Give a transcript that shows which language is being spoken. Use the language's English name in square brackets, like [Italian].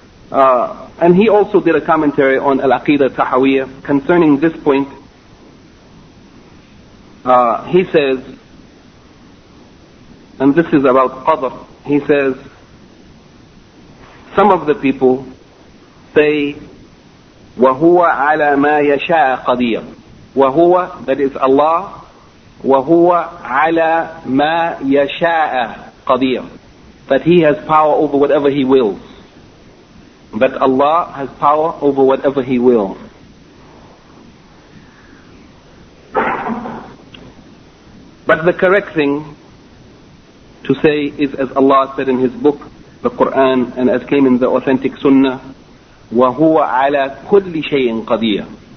[English] And he also did a commentary on Al-Aqidah Tahawiyyah concerning this point. He says, and this is about Qadr, he says, some of the people say, [Arabic] وَهُوَ عَلَى مَا يَشَاءَ قَدِيرٌ. وَهُوَ, [English] that is Allah, [Arabic] وَهُوَ عَلَى مَا يَشَاءَ قَدِيرٌ. [English] That he has power over whatever he wills. That Allah has power over whatever he will. But the correct thing to say is, as Allah said in his book, the Quran, and as came in the authentic Sunnah, [Arabic] وَهُوَ عَلَى كُلِّ شَيْءٍ قَدِيرٍ.